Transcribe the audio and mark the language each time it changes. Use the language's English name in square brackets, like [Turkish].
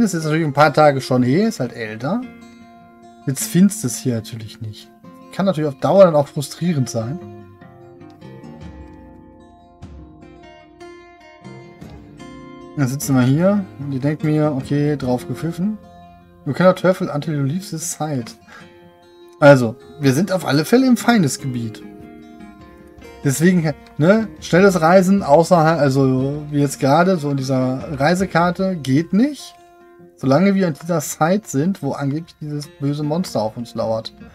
[German] Es ist natürlich ein paar Tage schon her, ist halt älter. Jetzt findest du es hier natürlich nicht. Kann natürlich auf Dauer dann auch frustrierend sein. Dann sitzen wir hier und ich denke mir, okay, drauf gepfiffen. [English] You cannot travel until you leave this site. [German] Also, wir sind auf alle Fälle im Feindesgebiet. Deswegen, ne, schnelles Reisen außerhalb, also wie jetzt gerade so in dieser Reisekarte, geht nicht. Solange wir an dieser Site sind, wo angeblich dieses böse Monster auf uns lauert.